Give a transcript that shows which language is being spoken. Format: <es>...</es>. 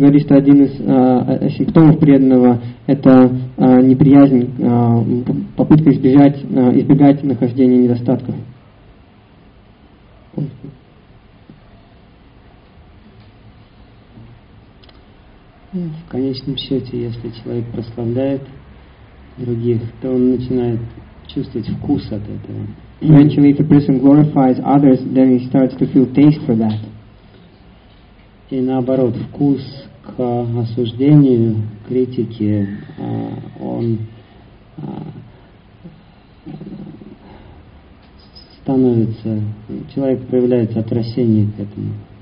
<ru>говорит, что один из симптомов преданного — это неприязнь, попытка избегать нахождения недостатков. В конечном счете, если человек прославляет других, то он начинает чувствовать вкус от этого.</ru> <en>Eventually, if a person glorifies others, then he starts to feel taste for that.</en> <ru>И наоборот, вкус к осуждению, критике, он становится, человек проявляет отвращение к этому.</ru>